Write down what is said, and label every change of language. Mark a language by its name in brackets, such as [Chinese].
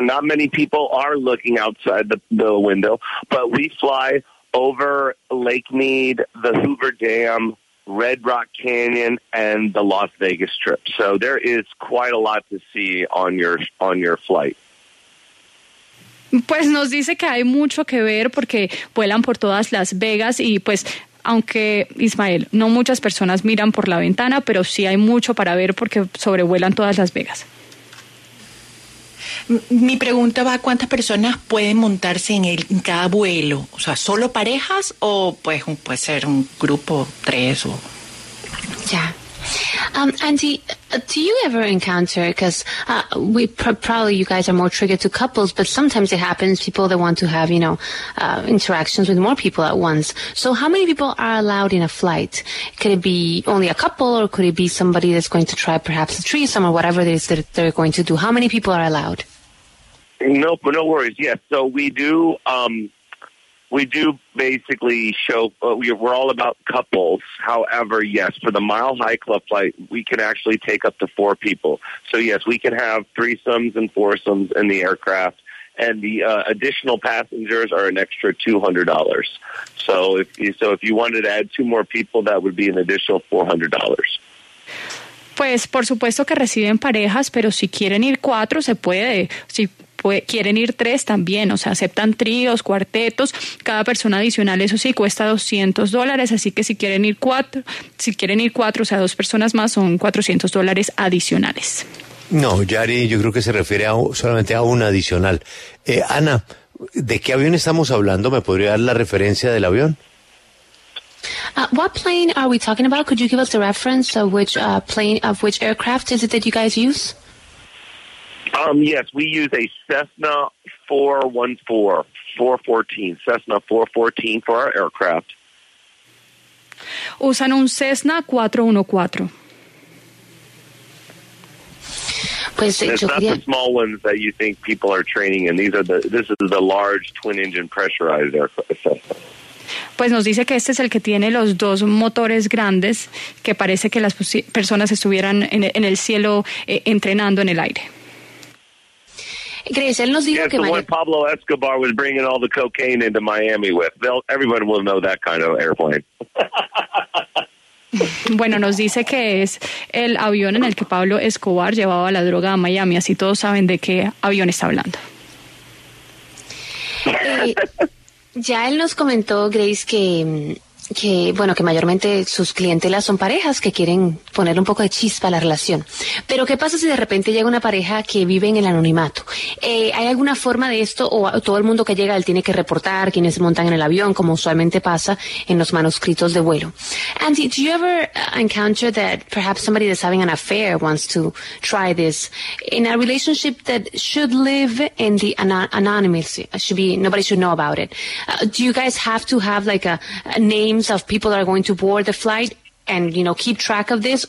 [English] Not many people are looking outside the window, but we fly over Lake Mead, the Hoover Dam, Red Rock Canyon, and the Las Vegas Strip. So there is quite a lot to see on your flight. [Spanish] Pues nos dice que hay mucho que ver porque vuelan por todas Las Vegas y pues, aunque, Ismael, no muchas personas miran por la ventana, pero sí hay mucho para ver porque sobrevuelan todas Las Vegas. Mi pregunta va, ¿cuántas personas pueden montarse en cada vuelo? O sea, ¿solo parejas o puede ser un grupo, tres o...? Ya. [English] Andy, do you ever encounter, because probably you guys are more triggered to couples, but sometimes it happens, people that want to have, you know, interactions with more people at once. So how many people are allowed in a flight? Could it be only a couple, or could it be somebody that's going to try perhaps a threesome or whatever it is that they're going to do? How many people are allowed? No worries. Yes. Yeah. So we do, We do basically show, we're all about couples. However, yes, for the Mile High Club flight, we can actually take up to 4 people. So, yes, we can have threesomes and foursomes in the aircraft. And the additional passengers are an extra $200. So if you wanted to add 2 more people, that would be an additional $400. [Spanish] Pues, por supuesto que reciben parejas, pero si quieren ir 4, se puede. Si quieren ir 3 también, o sea, aceptan tríos, cuartetos, cada persona adicional, eso sí, cuesta $200, así que si quieren ir cuatro, o sea, 2 personas más, son $400 adicionales. No, Yari, yo creo que se refiere solamente a un adicional. Ana, ¿de qué avión estamos hablando? ¿Me podría dar la referencia del avión? [English] What plane are we talking about? Could you give us a reference of which aircraft is it that you guys use? Yes, we use a Cessna 414, Cessna 414 for our aircraft. [Spanish] Usan un Cessna 414. Pues, [English] it's not the small ones that you think people are training in. This is the large twin-engine pressurized aircraft. [Spanish] Pues nos dice que este es el que tiene los 2 motores grandes, que parece que las personas estuvieran en el cielo entrenando en el aire. Chris, él nos dijo [English] yes, [Spanish] que [English] the one Pablo Escobar was bringing all the cocaine into Miami with. Everyone will know that kind of airplane. [Spanish] Bueno, nos dice que es el avión en el que Pablo Escobar llevaba la droga a Miami. Así todos saben de qué avión está hablando. Ya él nos comentó, Grace, que mayormente sus clientelas son parejas que quieren poner un poco de chispa a la relación. Pero, ¿qué pasa si de repente llega una pareja que vive en el anonimato? ¿Hay alguna forma de esto o todo el mundo que llega, él tiene que reportar quiénes se montan en el avión, como usualmente pasa en los manuscritos de vuelo? [English] Andy, do you ever encounter that perhaps somebody that's having an affair wants to try this in a relationship that should live in the anonymity? Nobody should know about it. Do you guys have to have like a names of people that are going to board the flight and, you know, keep track of this?